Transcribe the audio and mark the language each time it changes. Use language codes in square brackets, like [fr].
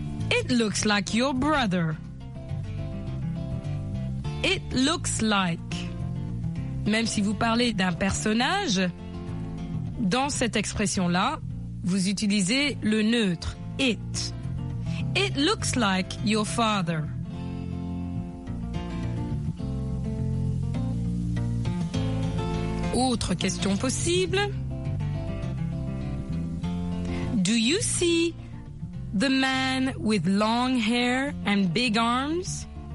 [en] It looks like your brother. It looks like. [fr] Même si vous parlez d'un personnage, dans cette expression-là, vous utilisez le neutre, it. [en] It looks like your father. [fr] Autre question possible. [en] Do you see the man with long hair and big arms?